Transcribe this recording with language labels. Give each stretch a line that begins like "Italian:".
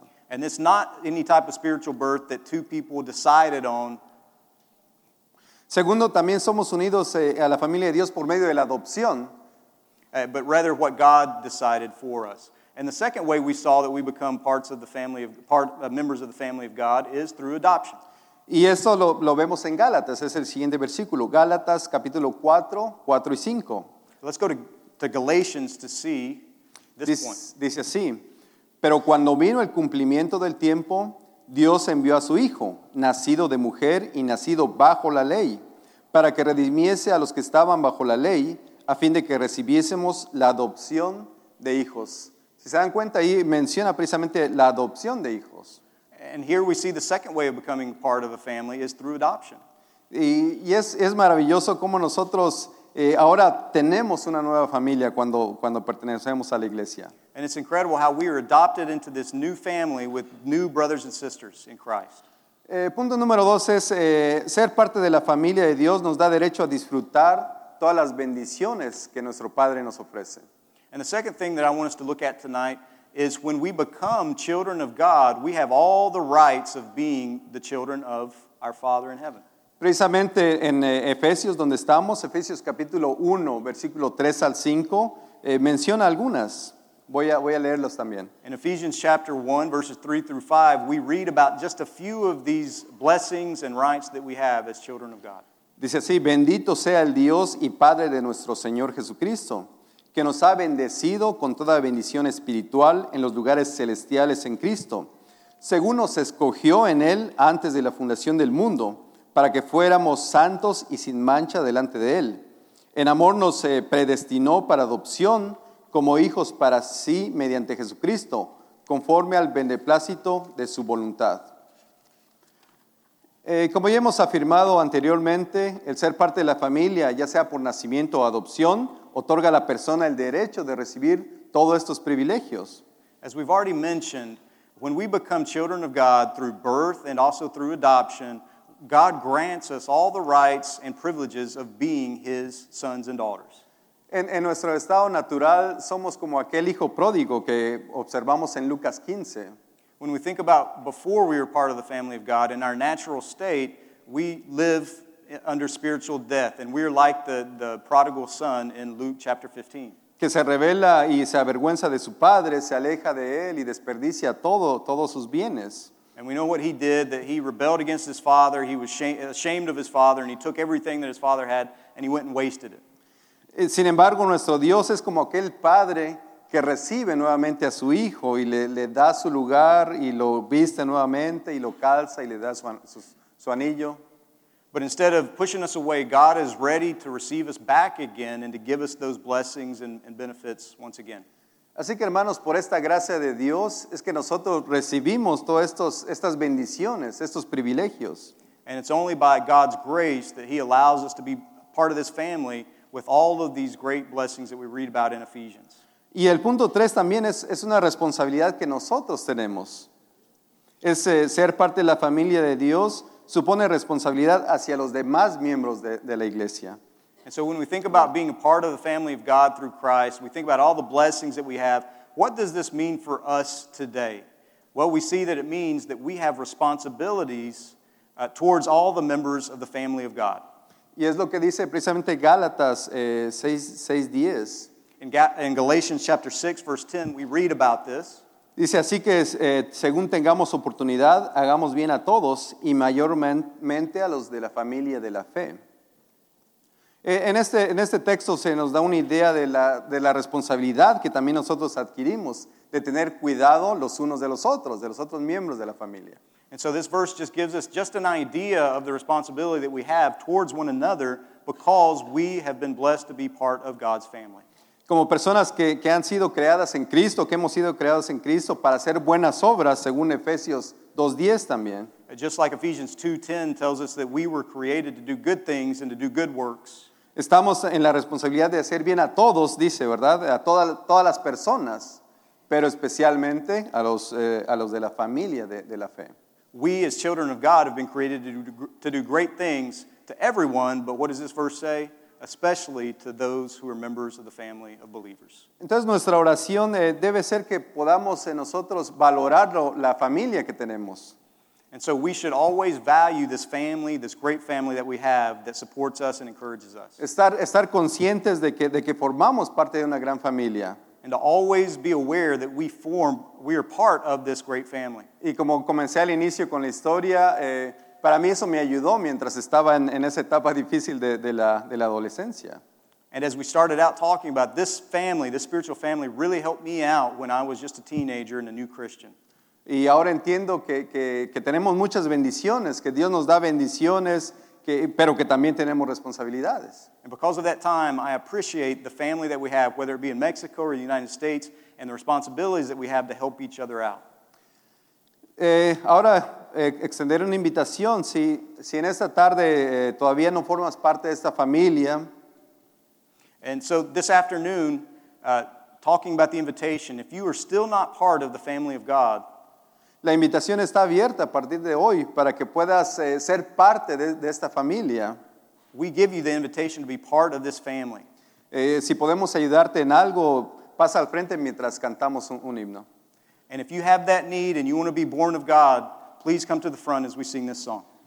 English: And it's not any type of spiritual birth that two people decided on.
Spanish: Segundo, también somos unidos a la familia de Dios por medio de la adopción.
English: But rather what God decided for us. And the second way we saw that we become members of the family of God is through adoption.
Spanish: Y eso lo vemos en Gálatas, es el siguiente versículo. Gálatas capítulo 4, 4 y 5.
English: Let's go to Galatians to see this point.
Spanish: Dice así. Pero cuando vino el cumplimiento del tiempo, Dios envió a su Hijo, nacido de mujer y nacido bajo la ley, para que redimiese a los que estaban bajo la ley, a fin de que recibiésemos la adopción de hijos. Si se dan cuenta, ahí menciona precisamente la adopción de hijos.
English: And here we see the second way of becoming part of a family is through adoption.
Spanish: Y es maravilloso cómo nosotros ahora tenemos una nueva familia cuando pertenecemos a la iglesia.
English: And it's incredible how we are adopted into this new family with new brothers and sisters in Christ.
Spanish: Punto número dos es ser parte de la familia de Dios nos da derecho a disfrutar todas las bendiciones que nuestro Padre nos ofrece.
English: And the second thing that I want us to look at tonight is when we become children of God, we have all the rights of being the children of our Father in heaven.
Spanish: Precisamente en Efesios, donde estamos, Efesios capítulo 1, versículo 3 al 5, menciona algunas. Voy a leerlos también.
English: In Ephesians chapter 1, verses 3 through 5, we read about just a few of these blessings and rights that we have as children of God.
Spanish: Dice así, bendito sea el Dios y Padre de nuestro Señor Jesucristo, que nos ha bendecido con toda bendición espiritual en los lugares celestiales en Cristo, según nos escogió en Él antes de la fundación del mundo, para que fuéramos santos y sin mancha delante de Él. En amor nos predestinó para adopción como hijos para sí mediante Jesucristo, conforme al beneplácito de su voluntad. Como ya hemos afirmado anteriormente, el ser parte de la familia, ya sea por nacimiento o adopción, otorga a la persona el derecho de recibir todos estos privilegios.
English: As we've already mentioned, when we become children of God through birth and also through adoption, God grants us all the rights and privileges of being His sons and daughters.
Spanish: En nuestro estado natural, somos como aquel hijo pródigo que observamos en Lucas 15.
English: When we think about before we were part of the family of God, in our natural state, we live under spiritual death, and we are like the prodigal son in Luke chapter 15.
Spanish: Que se revela y se avergüenza de su padre, se aleja de él y desperdicia todos sus bienes.
English: And we know what he did, that he rebelled against his father, he was ashamed of his father, and he took everything that his father had, and he went and wasted it.
Spanish: Sin embargo, nuestro Dios es como aquel padre que recibe nuevamente a su hijo y le da su lugar y lo viste nuevamente y lo calza y le da su anillo.
English: But instead of pushing us away, God is ready to receive us back again and to give us those blessings and benefits once again.
Spanish: Así que hermanos, por esta gracia de Dios, es que nosotros recibimos todos estas bendiciones, estos privilegios.
English: And it's only by God's grace that he allows us to be part of this family with all of these great blessings that we read about in Ephesians.
Spanish: Y el punto 3 también es una responsabilidad que nosotros tenemos. Es ser parte de la familia de Dios supone responsabilidad hacia los demás miembros de la iglesia.
English: And so when we think about being a part of the family of God through Christ, we think about all the blessings that we have, what does this mean for us today? Well, we see that it means that we have responsibilities towards all the members of the family of God.
Spanish: Y es lo que dice precisamente Gálatas 6:10.
English: In Galatians chapter 6, verse 10, we read about this.
Spanish: Dice, así que según tengamos oportunidad, hagamos bien a todos y mayormente a los de la familia de la fe. En este texto se nos da una idea de la responsabilidad que también nosotros adquirimos de tener cuidado los unos de los otros miembros de la familia.
English: And so this verse just gives us just an idea of the responsibility that we have towards one another because we have been blessed to be part of God's family.
Spanish: Como personas que han sido creadas en Cristo, que hemos sido creadas en Cristo para hacer buenas obras, según Efesios 2:10 también.
English: Just like Ephesians 2:10 tells us that we were created to do good things and to do good works.
Spanish: Estamos en la responsabilidad de hacer bien a todos, dice, ¿verdad? A todas las personas, pero especialmente a los de la familia de la fe.
English: We as children of God have been created to do great things to everyone, but what does this verse say? Especially to those who are members of the family of believers.
Spanish: Entonces nuestra oración debe ser que podamos en nosotros valorar la familia que tenemos.
English: And so we should always value this family, this great family that we have that supports us and encourages us.
Spanish: Estar conscientes de que formamos parte de una gran familia.
English: And to always be aware that we are part of this great family.
Spanish: Y como comencé al inicio con la historia, para mí eso me ayudó mientras estaba en esa etapa difícil de la adolescencia.
English: And as we started out talking about this family, this spiritual family really helped me out when I was just a teenager and a new Christian.
Spanish: Y ahora entiendo que tenemos muchas bendiciones, que Dios nos da bendiciones, pero que también tenemos responsabilidades.
English: And because of that time, I appreciate the family that we have, whether it be in Mexico or the United States, and the responsibilities that we have to help each other out.
Spanish: Ahora extender una invitación. Si en esta tarde todavía no formas parte de esta familia.
English: And so this afternoon, talking about the invitation, if you are still not part of the family of God,
Spanish: la invitación está abierta a partir de hoy para que puedas ser parte de esta familia.
English: We give you the invitation to be part of this family.
Spanish: Si podemos ayudarte en algo, pasa al frente mientras cantamos un himno.
English: And if you have that need and you want to be born of God, please come to the front as we sing this song.